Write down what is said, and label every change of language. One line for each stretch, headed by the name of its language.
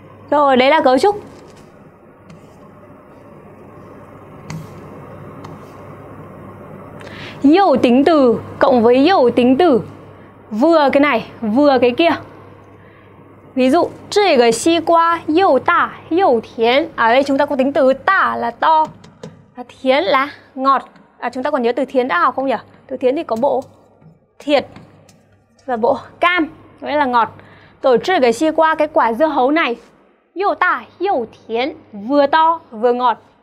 Vietnamese: Rồi, đấy là cấu trúc. Yêu tính từ cộng với yêu tính từ. Vừa cái này, vừa cái kia. Ví dụ,
Chinese: 这个西瓜又大又甜.
Vietnamese: Ở đây chúng ta có tính từ 大 là to, 甜 là ngọt. À, chúng ta còn nhớ từ 甜 đã học không nhỉ? Từ 甜 thì có bộ 甜 và bộ cam, nghĩa là ngọt. Rồi,
Chinese: 这个西瓜,
Vietnamese: cái quả dưa hấu này,
Chinese: 又大又甜,
Vietnamese: vừa to, vừa ngọt.